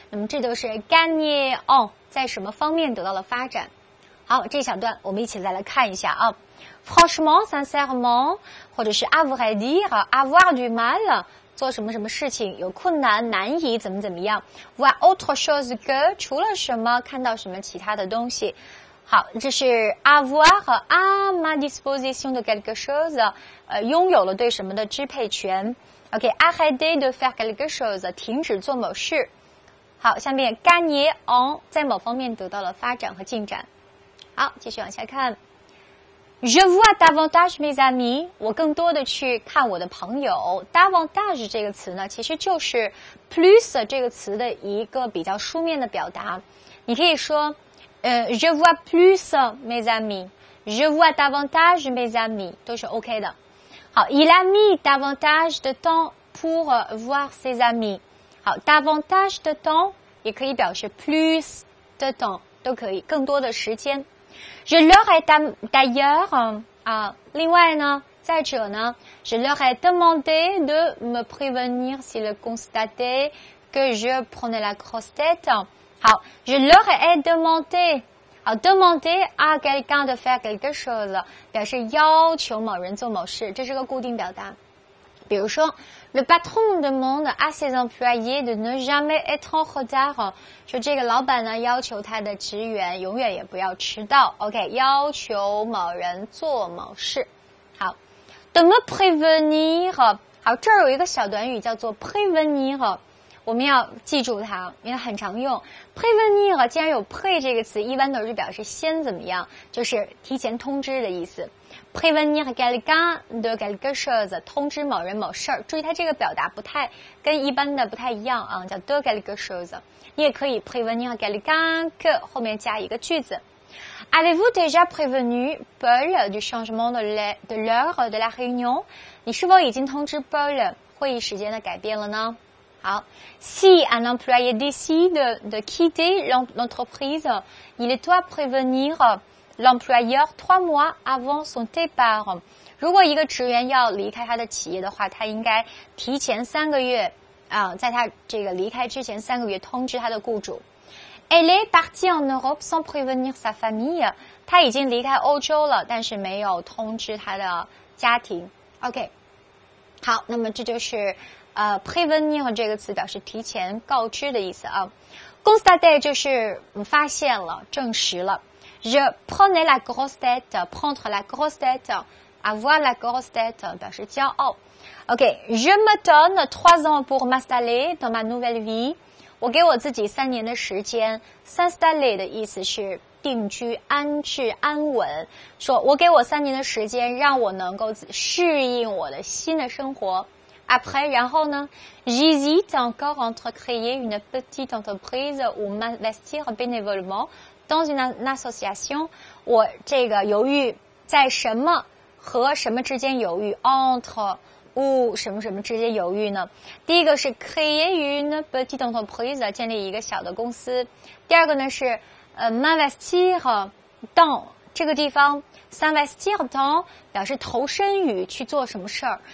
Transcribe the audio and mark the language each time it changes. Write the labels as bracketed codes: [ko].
[zh] 那么这就是 gagné en。在什么方面得到了发展？好，这小段我们一起再来看一下啊。 [fr] Franchement, sincèrement, [zh] 或者是 [fr] à vrai dire, avoir du mal, [zh] 做什么什么事情有困难，难以怎么怎么样。 [fr] Voir autre chose que, [zh] 除了什么看到什么其他的东西。 [fr] 好，这是 avoir à ma disposition de quelque chose, [zh] 拥有了对什么的支配权。 [fr] OK, arrêter de faire quelque chose, [zh] 停止做某事。好，下面 [fr] gagné en [zh] 在某方面得到了发展和进展。好，继续往下看。 [fr] Je vois davantage mes amis， [zh] 我更多的去看我的朋友。 davantage 这个词呢，其实就是 plus 这个词的一个比较书面的表达。你可以说， [fr] je vois plus mes amis， je vois davantage mes amis， [zh] 都是 OK 的。 [fr] 好 ，il a mis davantage de temps pour voir ses amis。 [zh] 好 ， [fr] davantage de temps [zh] 也可以表示 [fr] plus de temps [zh] 都可以，更多的时间。 [fr] Je leur ai d'ailleurs [zh] 啊，另外呢，再者呢 [fr] ，je leur ai demandé de me prévenir s'ils constataient que je prenais la grosse tête。好 ，je leur ai demandé 好 demandé à quelqu'un de faire quelque chose [zh] 表示要求某人做某事，这是个固定表达。比如说 [fr] ，le patron demande à ses employés de ne jamais être en retard。 [zh] 说这个老板呢，要求他的职员永远也不要迟到。 OK， 要求某人做某事。好 ， [fr] de me prévenir。 [zh] 好，这儿有一个小短语叫做 prévenir， 我们要记住它，因为很常用。 prévenir 既然有 pré 这个词，一般都是表示先怎么样，就是提前通知的意思。 [fr] prévenir quelqu'un de quelque chose， [zh] 通知某人某事儿。注意它这个表达不太跟一般的不太一样啊，叫 de quelque chose。你也可以 [fr] prévenir quelqu'un que [zh] 后面加一个句子。 [fr] Avez-vous déjà prévenu Paul du changement de l'heure de la réunion？ [zh] 你是否已经通知 Paul 会议时间的改变了呢？ [fr] 好 ，Si un employé décide de quitter l'entreprise, il doit prévenir l'employeur trois mois avant son départ. [zh] 如果一个职员要离开他的企业的话，他应该提前三个月啊，在他这个离开之前三个月通知他的雇主。 [fr] Elle est partie en Europe sans prévenir sa famille. [zh] 他已经离开欧洲了，但是没有通知他的家庭。 OK， 好，那么这就是。 [fr] prévenir [zh] 这个词表示提前告知的意思啊。 constater 就是发现了，证实了。 [fr] je prenais la grosse tête, prendre la grosse tête, avoir la grosse tête [zh] 表示骄傲。 [fr] OK, je me donne trois ans pour m'installer dans ma nouvelle vie. [zh] 我给我自己三年的时间。 [fr] s'installer [zh] 的意思是定居、安置、安稳。说我给我三年的时间，让我能够适应我的新的生活。 [fr] Après, [zh] 然后呢 [fr] j'hésite encore entre créer une petite entreprise ou m'investir bénévolement dans une association. [zh] 我这个犹豫在什么和什么之间犹豫 [fr] entre ou [zh] 什么什么之间犹豫呢？第一个是 [fr] créer une petite entreprise [zh] 建立一个小的公司。第二个呢是 [fr] m'investir dans [zh] 这个地方 ， [fr] s'investir dans [zh] 表示投身于去做什么事儿。